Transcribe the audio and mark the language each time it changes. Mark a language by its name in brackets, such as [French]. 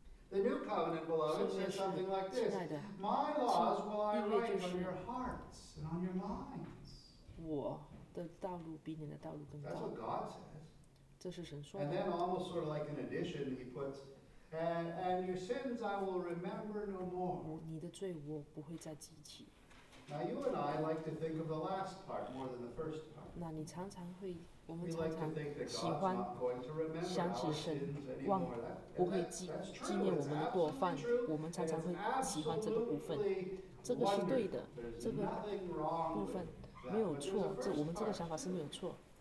[English] The New Covenant, beloved, says something like this. My laws will I write on your hearts and on your minds. [Chinese] 我的道路比你的道路更高。 [English] That's what God says. [Chinese] 这是神说。 [English] And then almost sort of like an addition, he puts, and your sins I will remember no more. [Chinese] 你的罪我不会再记起。 [English] Now you and I like to think of the last part more than the first part. [Chinese] 那你常常会。我们常常喜欢想起神忘不会 纪念我们的过犯，我们常常会喜欢这个部分，这个是对的，这个部分没有错，这我们这个想法是没有错。